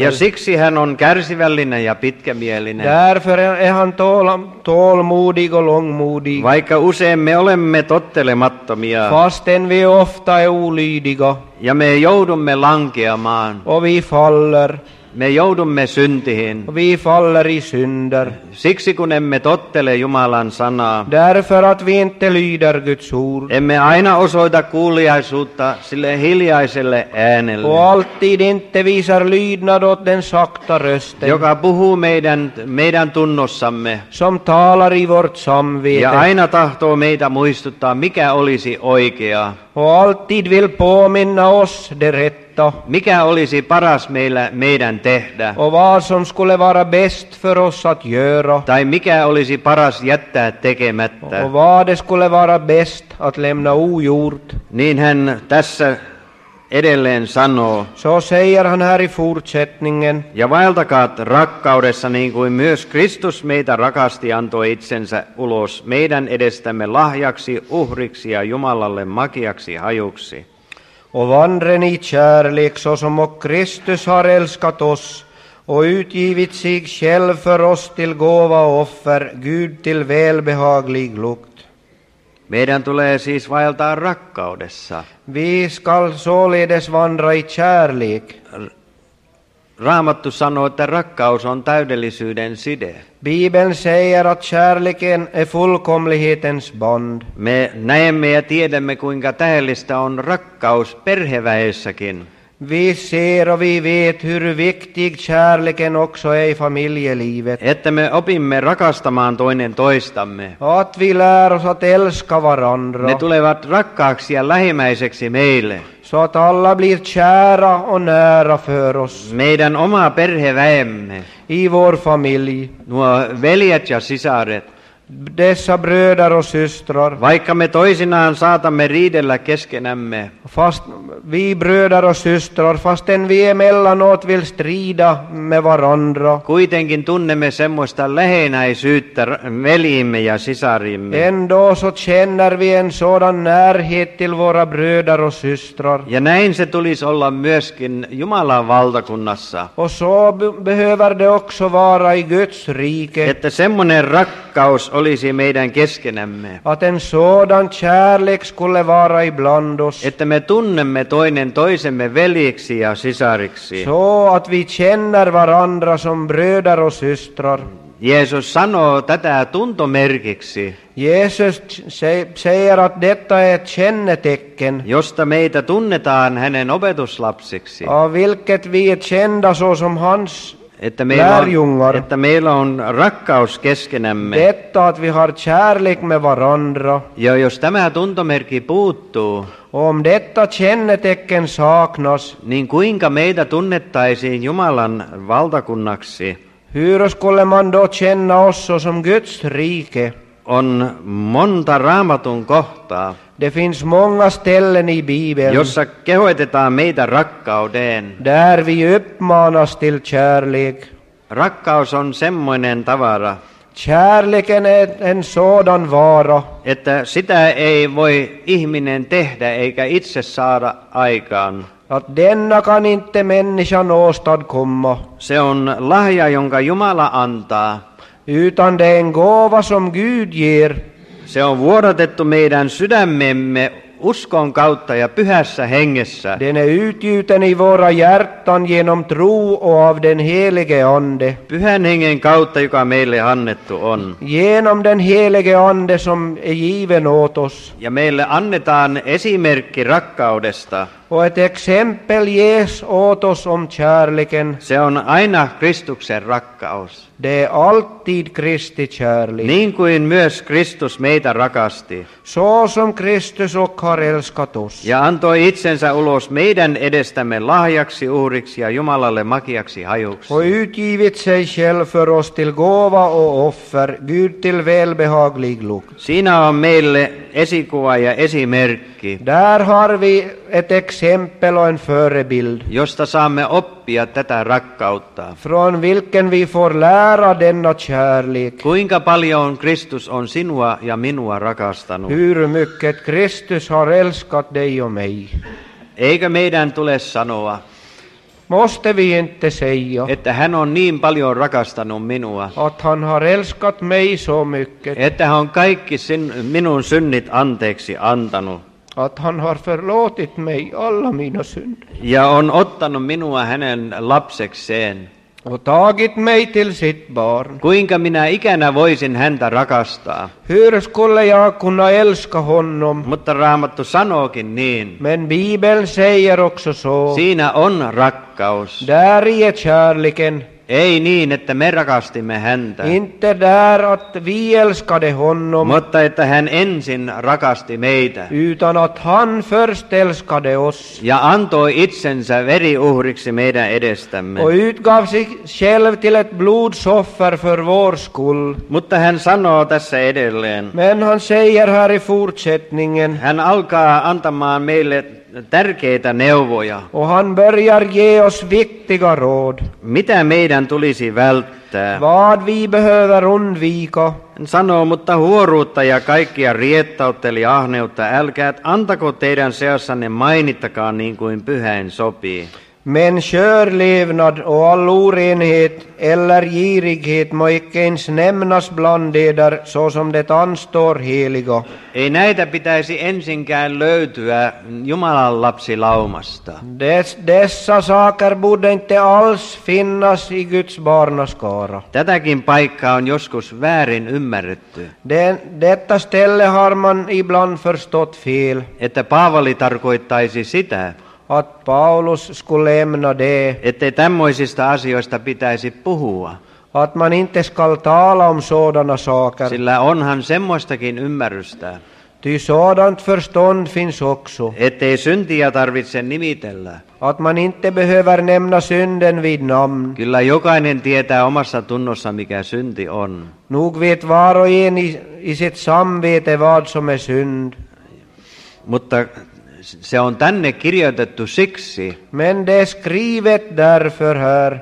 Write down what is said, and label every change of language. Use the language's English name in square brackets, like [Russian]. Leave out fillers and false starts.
[Finnish] Ja siksi hän on kärsivällinen ja pitkämielinen. [Swedish] Därför är han tålmodig och långmodig. [Finnish] Vaikka usein me olemme tottelemattomia. [Swedish] Fasten vi ofta är olydiga. [Finnish] Ja me joudumme lankeamaan. [Swedish] Och vi faller. [Finnish] Me joudumme syntihin. [Swedish] Vi faller i synder. [Finnish] Siksi kun emme tottele Jumalan sanaa. [Swedish] Därför att vi inte lyder Guds ord. [Finnish] Emme aina osoita kuuliaisuutta sille hiljaiselle äänelle. [Swedish] Och alltid inte visar lydnad åt den sakta rösten. [Finnish] Joka puhuu meidän tunnossamme. [Swedish] Som talar i vårt samvete. [Finnish] Ja aina tahtoo meitä muistuttaa, mikä olisi oikea. [Swedish] Och alltid vill påminna oss det rätta. [Finnish] Mikä olisi paras meidän tehdä? [Swedish] Och vad som skulle vara bäst för oss att göra. [Finnish] Tai mikä olisi paras jättää tekemättä? [Swedish] Och vad skulle vara bäst att lämna ogjort. [Finnish] Niin hän tässä edelleen sanoo. [Swedish] Så säger han här i fortsättningen. [Finnish] Ja vaeltakaa rakkaudessa niin kuin myös Kristus meitä rakasti antoi itsensä ulos meidän edestämme lahjaksi, uhriksi ja Jumalalle makiaksi hajuksi. [Swedish] Och vandren i kärlek så som och Kristus har älskat oss och utgivit sig själv för oss till gåva och offer, Gud till välbehaglig lukt. [Finnish] Meidän tulee siis vaeltaa rakkaudessa. [Swedish] Vi skall således vandra i kärlek. [Finnish] Raamattu sanoo, että rakkaus on täydellisyyden side. [Swedish] Bibeln säger att kärleken är fullkomlighetens bond. [Finnish] Me näemme ja tiedämme, kuinka tähellistä on rakkaus perheväessäkin. [Swedish] Vi ser och vi vet hur viktig kärleken också är i familjelivet. [Finnish] Että me opimme rakastamaan toinen toistamme. [Swedish] Att vi lär oss att älska varandra. [Finnish] Ne tulevat rakkaaksi ja lähimmäiseksi meille. [Swedish] Så att alla blir kära och nära för oss. [Finnish] Meidän oma perheväemme. [Swedish] I vår familj. [Finnish] Nuo veljet ja sisaret. [Swedish] Dessa bröder och systrar. [Finnish] Vaikka me toisinaan saatamme riidellä keskenämme. [Swedish] Fast vi bröder och systrar, fastän vi emellanåt vill strida med varandra. [Finnish] Kuitenkin tunnemme semmoista läheinäisyyttä veljimme ja sisarimme. [Swedish] Ändå så känner vi en sådan närhet till våra bröder och systrar. [Finnish] Ja näin se tulisi olla myöskin Jumalan valtakunnassa. [Swedish] Och så behöver det också vara i Guds rike. [Finnish] Että semmoinen rakkaus olisi meidän keskenämme. [Swedish] Att en sådan kärlek skulle vara ibland oss. [Finnish] Että me tunnemme toinen toisemme veljiksi ja sisariksi. [Swedish] Så att vi känner varandra som bröder och systrar. [Finnish] Jeesus sanoo tätä tuntomerkiksi. [Swedish] Jeesus säger att detta är ett kännetecken. [Finnish] Josta meitä tunnetaan hänen opetuslapsiksi. [Swedish] Ja vilket vi är kända så som hans. [Finnish] Että meillä on rakkaus keskenämme. [Swedish] Detta att vi har kärlek med varandra. [Finnish] Ja jos tämä tuntomerkki puuttuu. [Swedish] Om detta kännetecken saknas. [Finnish] Niin kuinka meitä tunnettaisiin Jumalan valtakunnaksi? [Swedish] Hur skulle man då känna oss som Guds rike? [Finnish] On monta raamatun kohtaa. [Swedish] Det finns många ställen i Bibeln. [Finnish] Jossa kehoitetaan meitä rakkauteen. [Swedish] Där vi uppmanas till kärlek. [Finnish] Rakkaus on semmoinen tavara. [Swedish] Kärleken är en sådan vara. [Finnish] Että sitä ei voi ihminen tehdä eikä itse saada aikaan. [Swedish] Att denna kan inte människan åstadkomma. [Finnish] Se on lahja, jonka Jumala antaa. [Swedish] Utan det är en gåva som Gud ger. [Finnish] Se on vuodatettu meidän sydämemme uskon kautta ja pyhässä hengessä. [Swedish] Den är utgjuten i våra hjärtan genom tro och av den helige ande. [Finnish] Pyhän hengen kautta, joka meille annettu on. [Swedish] Genom den helige ande som är given åt oss. [Finnish] Ja meille annetaan esimerkki rakkaudesta. [Swedish] Och ett exempel ges åt oss om kärleken. [Finnish] Se on aina Kristuksen rakkaus. [Swedish] Det är alltid Kristi kärlek. [Finnish] Niin kuin myös Kristus meitä rakasti. [Swedish] Så som Kristus och har älskat oss. [Finnish] Ja antoi itsensä ulos meidän edestämme lahjaksi, uhriksi ja Jumalalle makiaksi hajuksi. [Swedish] Och utgivit sig själv för oss till gåva och offer, Gud till välbehaglig lukt. [Finnish] Siinä on meille esikuva ja esimerkki. [Swedish] Där har vi ett exempel och en förebild. [Finnish] Josta saamme oppia tätä rakkautta. [Swedish] Från vilken vi får lära denna kärlek. [Finnish] Kuinka paljon Kristus on sinua ja minua rakastanut. [Swedish] Hur mycket Kristus har älskat dig och mig. [Finnish] Eikö meidän tule sanoa. [Swedish] Måste vi inte säga. [Finnish] Että hän on niin paljon rakastanut minua. [Swedish] Att han har älskat mig så mycket. [Finnish] Että hän on kaikki minun synnit anteeksi antanut. [Swedish] Att han har förlåtit mig alla mina synder. [Finnish] Ja on ottanut minua hänen lapsekseen. [Swedish] Och tagit mig till sitt barn. [Finnish] Kuinka minä ikänä voisin häntä rakastaa? [Swedish] Hur skulle jag kunna älska honom? [Finnish] Mutta Raamattu sanookin niin. [Swedish] Men Bibeln säger också så. [Finnish] Siinä on rakkaus. [Swedish] Där i kärleken. [Finnish] Ei niin, että me rakastimme häntä. [Swedish] Inte där att vi älskade honom. [Finnish] Mutta että hän ensin rakasti meitä. [Swedish] Utan att han först älskade oss. [Finnish] Ja antoi itsensä veriuhriksi meidän edestämme. [Swedish] Och utgav sig själv till ett blodsoffer för vår skull. [Finnish] Mutta hän sanoo tässä edelleen. [Swedish] Men han säger här i fortsättningen. [Finnish] Hän alkaa antamaan meille tärkeitä neuvoja. [Swedish] Och han börjar ge oss viktiga råd. [Finnish] Mitä meidän tulisi välttää? [Swedish] Vad vi behöver undvika? [Finnish] Hän sanoo, mutta huoruutta ja kaikkia riettautta eli ahneutta älkää, antako teidän seassanne mainittakaan niin kuin pyhäin sopii. [Swedish] Men körlevnad och all orenhet eller girighet må icke ens nämnas bland eder så som det anstår heliga. [Finnish] Ei näitä pitäisi ensinkään löytyä Jumalan lapsilaumasta. [Swedish] Dessa saker borde inte alls finnas i Guds barnaskara. [Finnish] Tätäkin paikkaa on joskus väärin ymmärretty. [Swedish] Detta ställe har man ibland förstått fel. [Finnish] Että Paavali tarkoittaisi sitä. [Swedish] Att Paulus skulle ämna det. [Finnish] Ettei tämmöisistä asioista pitäisi puhua. [Swedish] Att man inte skall tala om sådana saker. [Finnish] Sillä onhan semmoistakin ymmärrystä. [Swedish] Ty sådant förstånd finns också. [Finnish] Ettei syntiä tarvitse nimitellä. [Swedish] Att man inte behöver nämna synden vid namn. [Finnish] Kyllä jokainen tietää omassa tunnossa, mikä synti on. [Swedish] Nog vet var och en i sitt samvete vad som är synd. [Finnish] Mutta se on tänne kirjoitettu siksi, [Swedish] men det skrivet därför här,